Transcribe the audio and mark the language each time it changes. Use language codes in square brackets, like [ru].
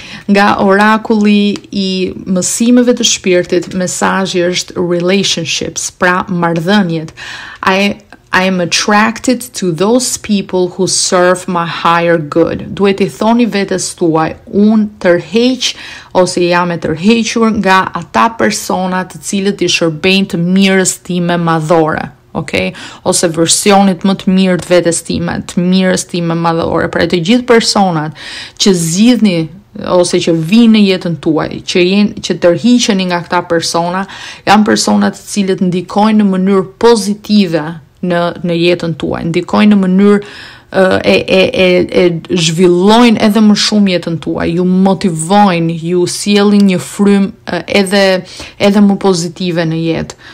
[sq] Nga orakulli i mësimeve të shpirtit, mesazhi është relationships, pra marrëdhëniet. [en] I am attracted to those people who serve my higher good. [sq] Duhet i thoni vetes tuaj, unë tërheq ose jam e tërhequr nga ata persona të cilët i shërbejnë të mirës time madhore. Okay? Ose versionit më të mirë të vetes time, të mirës time madhore. Pra të gjithë personat që zgjidhni ose që vinë në jetën tuaj, që tërhiqeni nga këta persona, janë personat të cilët ndikojnë në mënyrë pozitive në jetën tuaj, ndikojnë në mënyrë e zhvillojnë edhe më shumë jetën tuaj, ju motivojnë, ju sjellin një frym edhe më pozitive në jetë.